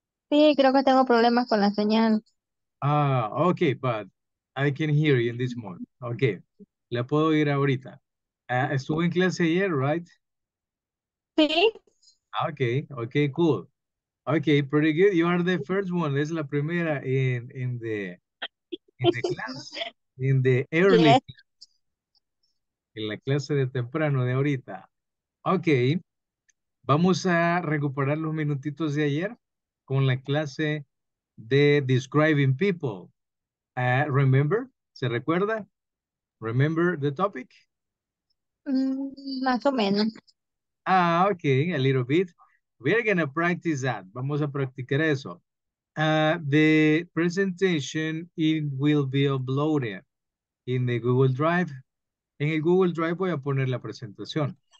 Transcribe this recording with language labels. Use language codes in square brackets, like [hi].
[es] Sí, creo que tengo problemas con la señal. [en] Ah, okay, but I can hear you in this moment. [es] Okay. Le puedo oír ahorita. Estuve en clase ayer, right? Sí. [en] Okay, okay, cool. Okay, pretty good. You are the first one. [es] Es la primera [en] in the class. In the early yes. class. [es] En la clase de temprano de ahorita. Okay. Vamos a recuperar los minutitos de ayer con la clase de describing people. [en] Remember? [es] ¿Se recuerda? [en] Remember the topic? [es] Más o menos. [en] Ah, okay, a little bit. We're gonna practice that. [es] Vamos a practicar eso. [en] The presentation, it will be uploaded in the Google Drive. [es] En el Google Drive voy a poner la presentación.